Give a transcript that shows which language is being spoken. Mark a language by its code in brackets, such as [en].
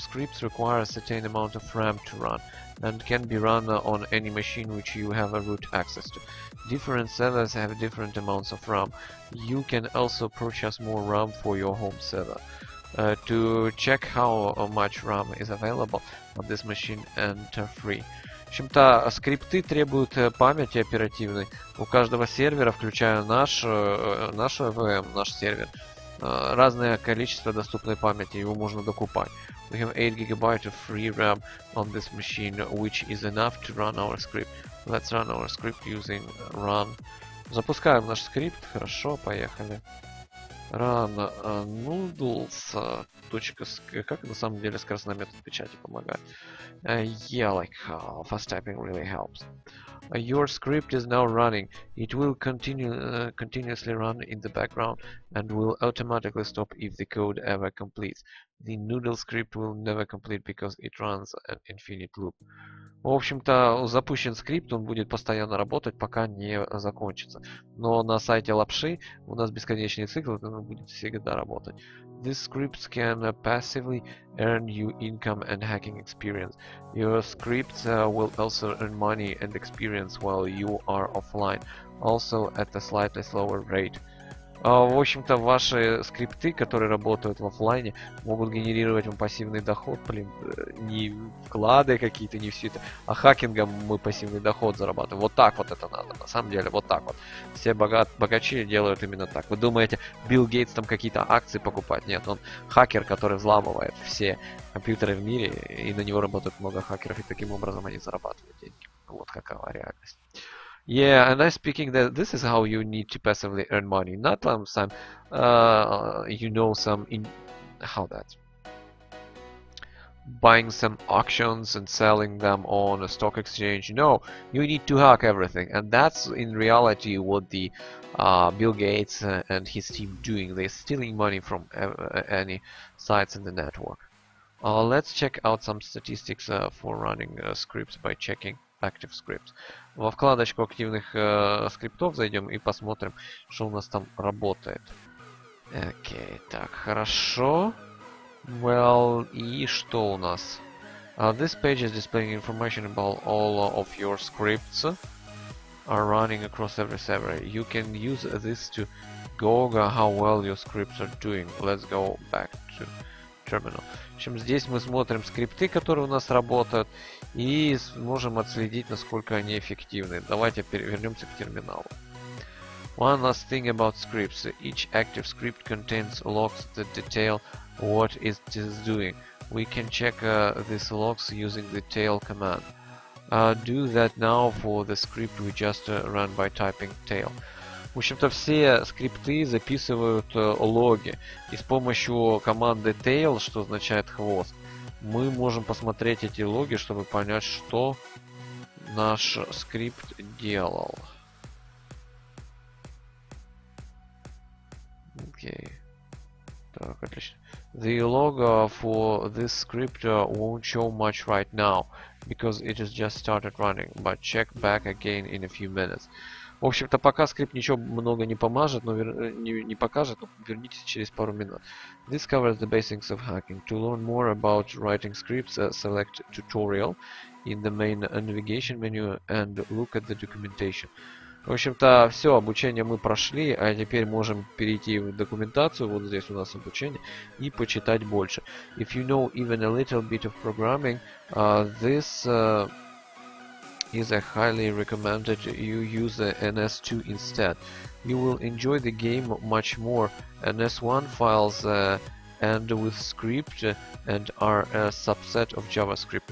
[en] Scripts require a certain amount of RAM to run and can be run on any machine which you have a root access to. Different servers have different amounts of RAM. You can also purchase more RAM for your home server. To check how much RAM is available on this machine, enter free. [ru] В общем-то, скрипты требуют памяти оперативной. У каждого сервера, включая наш VM, наш сервер, разное количество доступной памяти, его можно докупать. [en] We have 8 GB of free RAM on this machine, which is enough to run our script. Let's run our script using run. [ru] Запускаем наш скрипт. Хорошо, поехали. [en] Run noodles. [ru] Как на самом деле скоростной метод печати помогает? [en] Yeah, like fast typing really helps. Your script is now running. It will continuously run in the background and will automatically stop if the code ever completes. The noodle script will never complete because it runs an infinite loop. [ru] В общем-то, запущен скрипт, он будет постоянно работать, пока не закончится. Но на сайте лапши у нас бесконечный цикл, он будет всегда работать. [en] These scripts can passively earn you income and hacking experience. Your scripts will also earn money and experience while you are offline, also at a slightly slower rate. [ru] В общем-то, ваши скрипты, которые работают в офлайне, могут генерировать вам пассивный доход, блин, не вклады какие-то, не все это, а хакингом мы пассивный доход зарабатываем. Вот так вот это надо, на самом деле, вот так вот. Все богачи делают именно так. Вы думаете, Билл Гейтс там какие-то акции покупает? Нет, он хакер, который взламывает все компьютеры в мире, и на него работают много хакеров, и таким образом они зарабатывают деньги. Вот какова реальность. [en] Yeah, and I'm speaking that this is how you need to passively earn money, not some, you know, some in how that buying some auctions and selling them on a stock exchange. No, you need to hack everything, and that's in reality what the Bill Gates and his team doing. They're stealing money from any sites in the network. Let's check out some statistics for running scripts by checking active scripts. [ru] Во вкладочку активных скриптов зайдем и посмотрим, что у нас там работает. Окей, так, хорошо. Well, и что у нас? [en] This page is displaying information about all of your scripts are running across every server. You can use this to gauge how well your scripts are doing. Let's go back to terminal. [ru] В общем, здесь мы смотрим скрипты, которые у нас работают, и сможем отследить, насколько они эффективны. Давайте вернемся к терминалу. [en] One last thing about scripts. Each active script contains logs that detail what it is doing. We can check these logs using the tail command. Do that now for the script we just ran by typing tail. [ru] В общем-то, все скрипты записывают логи. И с помощью команды tail, что означает хвост, мы можем посмотреть эти логи, чтобы понять, что наш скрипт делал. Окей. Так, отлично. [en] The log for this script won't show much right now, because it has just started running, but check back again in a few minutes. [ru] В общем-то, пока скрипт ничего много не помажет, но не покажет, но вернитесь через пару минут. [en] This covers the basics of hacking. To learn more about writing scripts, select tutorial in the main navigation menu and look at the documentation. [ru] В общем-то, все, обучение мы прошли, а теперь можем перейти в документацию, вот здесь у нас обучение, и почитать больше. [en] If you know even a little bit of programming, this is a highly recommended, you use the NS2 instead. You will enjoy the game much more. NS1 files end with script and are a subset of JavaScript.